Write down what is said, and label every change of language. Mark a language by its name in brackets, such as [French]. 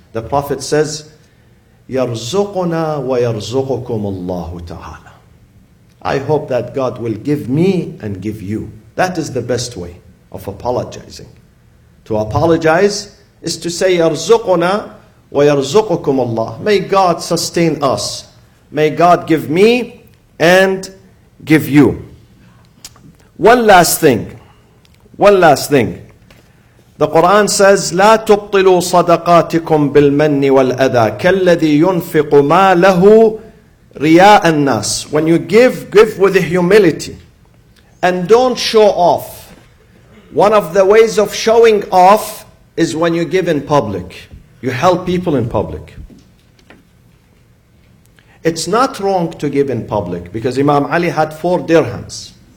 [English] The Prophet says, [Arabic] يَرْزُقُنَا وَيَرْزُقُكُمُ اللَّهُ تَعَالَى [English] I hope that God will give me and give you. That is the best way of apologizing. To apologize is to say, [Arabic] يَرْزُقُنَا وَيَرْزُقُكُمُ اللَّهُ [English] May God sustain us. May God give me and give you. One last thing. The Quran says, [Arabic] لا تبطلوا صدقاتكم بالمن والأذى كالذي ينفق ما له رياء الناس. [English] When you give with humility. And don't show off. One of the ways of showing off is when you give in public. You help people in public. It's not wrong to give in public because Imam Ali had four dirhams.